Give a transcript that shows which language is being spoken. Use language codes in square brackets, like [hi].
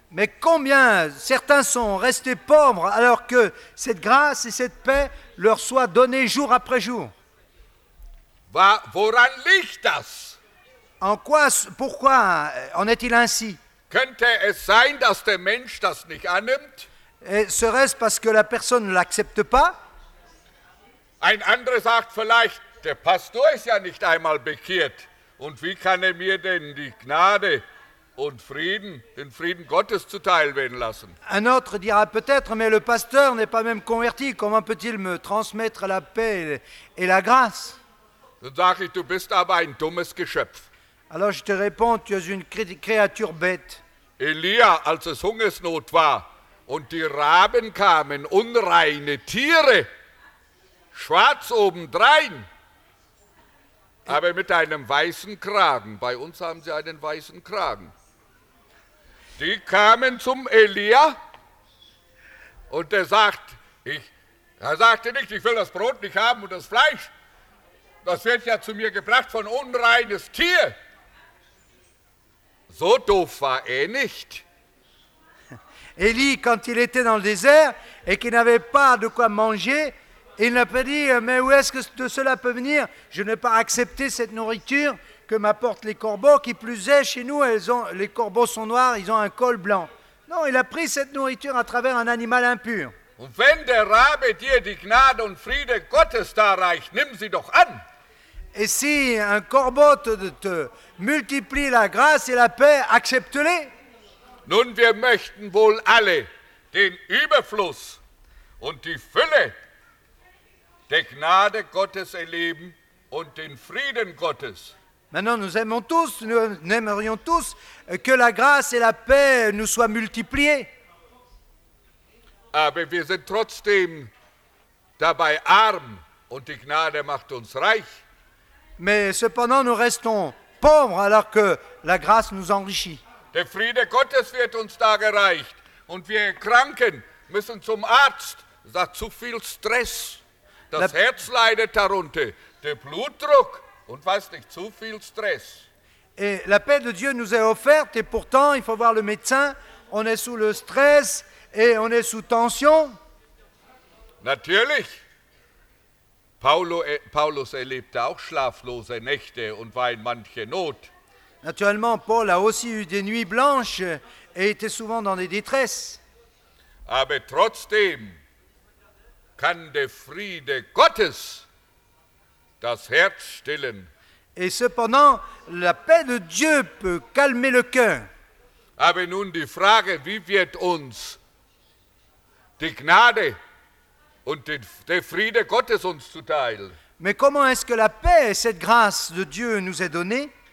[fr] Mais combien certains sont restés pauvres alors que cette grâce et cette paix leur soient données jour après jour. [de] Woran liegt das? [fr] En quoi, pourquoi en est-il ainsi? [de] Könnte es sein, dass der Mensch das nicht annimmt? [fr] Et serait-ce parce que la personne ne l'accepte pas? [de] Ein anderer sagt vielleicht, der Pastor ist ja nicht einmal bekehrt. Und wie kann mir denn die Gnade und Frieden, den Frieden Gottes zuteil werden lassen? [fr] Un autre dira peut-être, mais le pasteur n'est pas même converti. Comment peut-il me transmettre la paix et la grâce? [de] Dann sage ich, du bist aber ein dummes Geschöpf. [fr] Alors je te réponds, tu es une créature bête. [de] Elia, als es Hungersnot war und die Raben kamen, unreine Tiere, schwarz obendrein, aber mit einem weißen Kragen. Bei uns haben sie einen weißen Kragen. Die kamen zum Elia und er sagte nicht, ich will das Brot nicht haben und das Fleisch. Das wird ja zu mir gebracht von unreines Tier. So doof war nicht. [fr] Élie, quand il était dans le désert et qu'il n'avait pas de quoi manger, il n'a pas dit, mais où est-ce que cela peut venir? Je n'ai pas accepté cette nourriture que m'apportent les corbeaux, qui plus est, chez nous, les corbeaux sont noirs, ils ont un col blanc. Non, il a pris cette nourriture à travers un animal impur. [de] Und wenn der Rabe dir die Gnade und Friede Gottes darreicht, nimm sie doch an. [fr] Et si un corbeau te multiplie la grâce et la paix, accepte-les. [de] Nun, wir möchten wohl alle den Überfluss und die Fülle der Gnade Gottes erleben und den Frieden Gottes. [fr] Maintenant, nous aimerions tous que la grâce et la paix nous soient multipliées. [de] Aber wir sind trotzdem dabei arm und die Gnade macht uns reich. [fr] Mais cependant, nous restons pauvres alors que la grâce nous enrichit. [de] Der Friede Gottes wird uns da gereicht. Und wir Kranken müssen zum Arzt. Das hat zu viel Stress. Das Herz leidet darunter. Der Blutdruck und weiß nicht, zu viel Stress. [fr] Et la paix de Dieu nous est offerte et pourtant, il faut voir le médecin, on est sous le stress et on est sous tension. [de] Natürlich. Paulus erlebte auch schlaflose Nächte und war in manche Not. [fr] Naturellement, Paul a aussi eu des nuits blanches et était souvent dans des détresses. [de] Aber trotzdem kann der Friede Gottes das Herz stillen. [fr] Et cependant, la paix de Dieu peut calmer le cœur. [de] Aber nun die Frage, wie wird uns die Gnade und der Friede Gottes uns zuteil? [fr] Mais comment est-ce que la paix, cette grâce de Dieu nous est donnée?